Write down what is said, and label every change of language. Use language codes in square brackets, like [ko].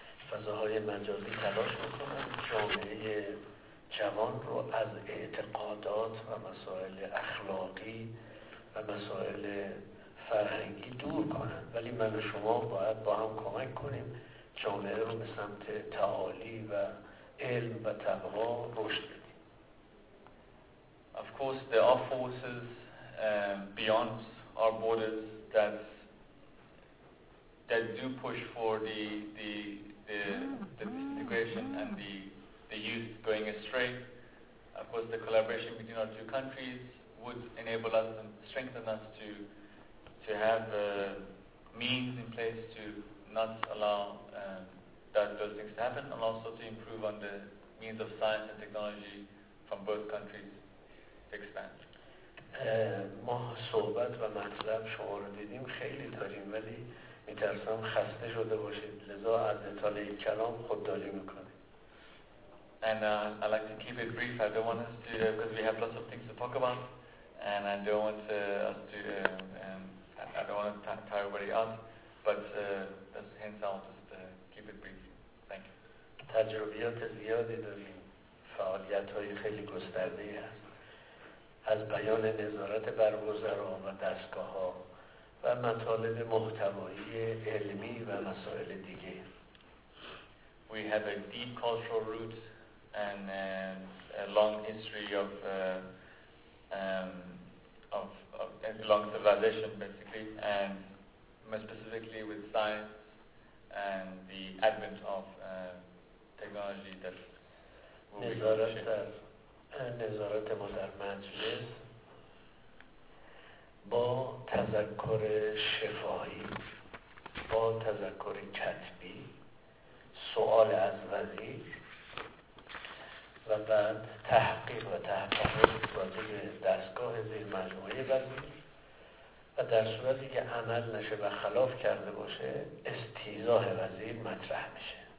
[fa] فضاهای مجازی تلاش میکنند جامعه جوان رو از اعتقادات و مسائل اخلاقی و مسائل فرهنگی دور کنند، ولی من و شما باید با هم کمک کنیم جامعه رو به سمت تعالی و علم و تقوا رشد بدیم. [en] Of course there are forces beyond our borders that do push for the disintegration and the youth going astray. Of course, the collaboration between our two countries would enable us and strengthen us to have means in place to not allow those things to happen, and also to improve on the means of science and technology from both countries to expand. [fa] ما صحبت و مطلب شما رو دیدیم خیلی داریم، ولی میترسم خسته شده باشید، لذا از اطاله این کلام خودداری میکنیم. [en] And I like to keep it brief. I don't want us to, because we have lots of things to talk about, and I don't want us to, I don't want to tire everybody out, but that's hence I'll just keep it brief. Thank you. [fa] تجربیات زیادی داریم، فعالیت های خیلی گسترده ای هست، از بیان نظارت بر وزرا و دستگاه ها و مطالب محتوایی علمی و مسائل دیگه. [en] We have a deep cultural root and a long history of a long civilization basically, and more specifically with science and the advent of technology that [fa] نظارت ما در مجلس با تذکر شفاهی، با تذکر کتبی، سؤال از وزیر و بعد تحقیق و تحقیق راجب دستگاه زیر مجموعه وزیر، و در صورتی که عمل نشه و خلاف کرده باشه استیضاح وزیر مطرح میشه.